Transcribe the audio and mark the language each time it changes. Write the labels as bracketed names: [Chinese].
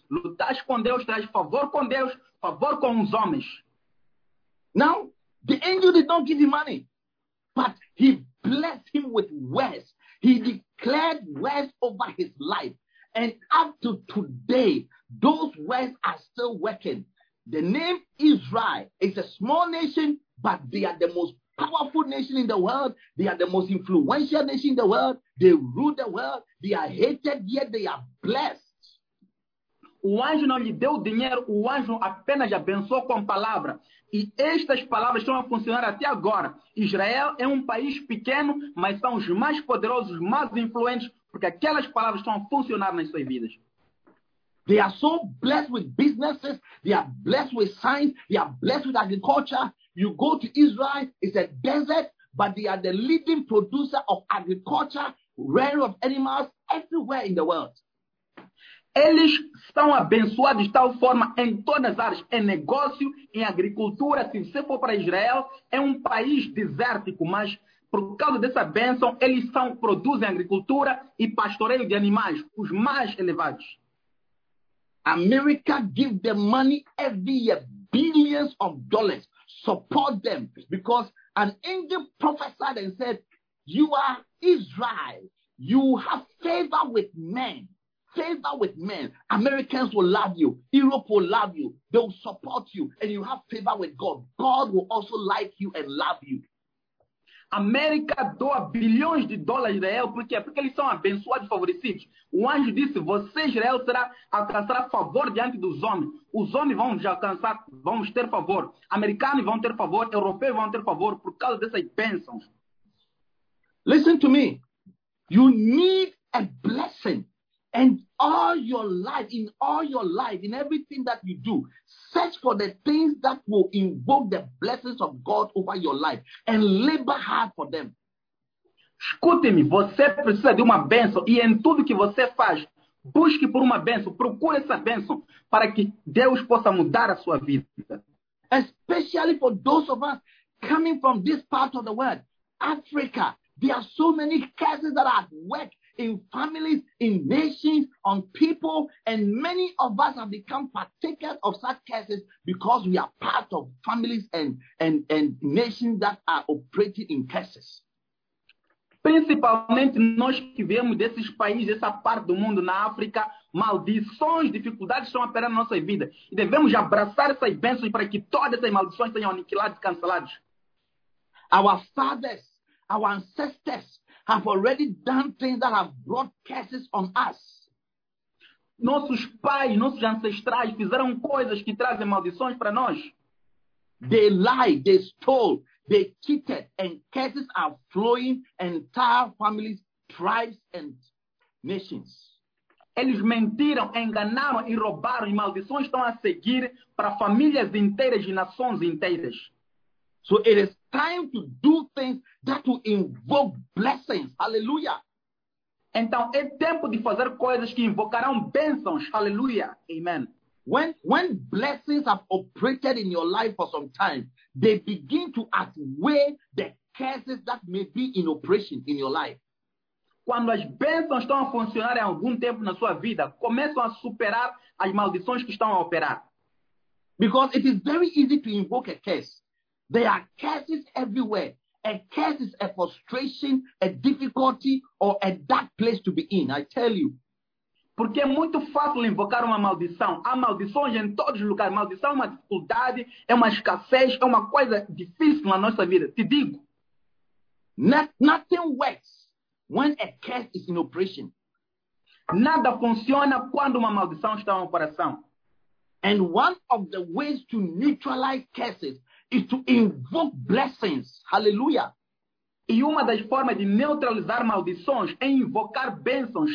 [Portuguese] Lutas com Deus, terás favor com Deus, favor com os homens. [English] Now, the angel did not give him money, but he blessed him with words. He declared words over his life. And up to today, those words are still working. The name Israel is a small nation, but they are the most powerful nation in the world. They are the most influential nation in the world. They rule the world. They are hated, yet they are blessed. [Portuguese] O anjo não lhe deu dinheiro, o anjo apenas abençoou com palavra. E estas palavras estão a funcionar até agora. Israel é um país pequeno, mas são os mais poderosos, mais influentes, porque aquelas palavras estão a funcionar nas suas vidas. [English] They are so blessed with businesses, they are blessed with science, they are blessed with agriculture. You go to Israel, it's a desert, but they are the leading producer of agriculture, rare of animals, everywhere in the world. [Portuguese] Eles são abençoados de tal forma em todas as áreas, em negócio, em agricultura. Se você for para Israel, é um país desértico, mas por causa dessa bênção, eles são, produzem agricultura e pastoreio de animais, os mais elevados. [English] America give them money every year, billions of dollars. Support them because an angel prophesied and said, you are Israel. You have favor with men. Favor with men. Americans will love you. Europe will love you. They will support you. And you have favor with God. God will also like you and love you. [Portuguese] América doa bilhões de dólares a Israel, por quê? Porque eles são abençoados e favorecidos. O anjo disse, você, Israel, será alcançará favor diante dos homens. Os homens vão já alcançar, vão ter favor. Americanos vão ter favor, europeus vão ter favor por causa dessas bênçãos. [English] Listen to me. You need a blessing. And all your life, in all your life, in everything that you do, search for the things that will invoke the blessings of God over your life and labor hard for them. [Portuguese] Escute-me, você precisa de uma bênção e em tudo que você faz, busque por uma bênção, procure essa bênção para que Deus possa mudar a sua vida. [English] Especially for those of us coming from this part of the world, Africa, there are so many curses that are at work in families, in nations, on people, and many of us have become partakers of such curses because we are part of families and nations that are operating in curses. [Portuguese] Principalmente nós que viemos desses países, dessa parte do mundo, na África, maldições, dificuldades estão operando na nossa vida. E devemos abraçar essas bênçãos para que todas essas maldições sejam aniquiladas e canceladas. [English] Our fathers, our ancestors, have already done things that have brought curses on us. [Portuguese] Nossos pais, nossos ancestrais fizeram coisas que trazem maldições para nós. [English] They lied, they stole, they cheated, and curses are flowing entire families, tribes, and nations. [Portuguese] Eles mentiram, enganaram e roubaram, e maldições estão a seguir para famílias inteiras e nações inteiras. [English] So it is time to do things that will invoke blessings. Hallelujah. [Portuguese] Então, é tempo de fazer coisas que invocarão bênçãos. Hallelujah. Amen. [English] When blessings have operated in your life for some time, they begin to outweigh the curses that may be in operation in your life. [Portuguese] Quando as bênçãos estão a funcionar em algum tempo na sua vida, começam a superar as maldições que estão a operar. [English] Because it is very easy to invoke a curse. There are curses everywhere. A curse is a frustration, a difficulty, or a dark place to be in, I tell you. [Portuguese] Porque é muito fácil invocar uma maldição. Há maldições em todos os lugares. Maldição é uma dificuldade, é uma escassez, é uma coisa difícil na nossa vida. Te digo. [English] Nothing works when a curse is in operation. [Portuguese] Nada funciona quando uma maldição está em operação. [English] And one of the ways to neutralize curses is to invoke blessings. Hallelujah. [Portuguese] E uma das formas de neutralizar maldições é invocar bênçãos.